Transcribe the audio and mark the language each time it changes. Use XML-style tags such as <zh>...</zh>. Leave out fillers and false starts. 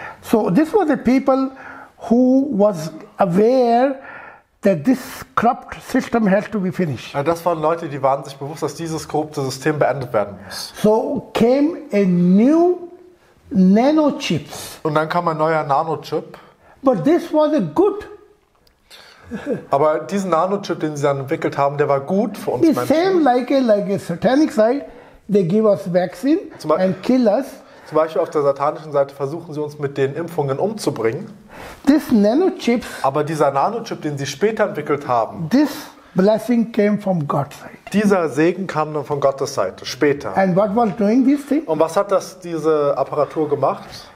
<en>So this was the people who was aware that this corrupt system has to be finished.</en> <de>Das waren Leute, die waren sich bewusst, dass dieses korrupte System beendet werden muss.</de> <en>So came a new nanochips.</en> <de>Und dann kam ein neuer Nanochip.</de> <en>But this was a good.</en> <de>Aber diesen Nanochip, den sie dann entwickelt haben, der war gut für uns</de> <en>the</en> <de>Menschen.</de> <en>Same like a satanic side, they give us vaccine and kill us.</en> <de>Zum Beispiel auf der satanischen Seite versuchen sie uns mit den Impfungen umzubringen.</de> <en>This nanochips.</en> <de>Aber dieser Nanochip, den sie später entwickelt haben.</de> <en>This blessing came from God's side.</en> <de>Dieser Segen kam dann von Gottes Seite später.</de> <en>And what was doing this thing?</en> <de>Und was hat das diese Apparatur gemacht?</de>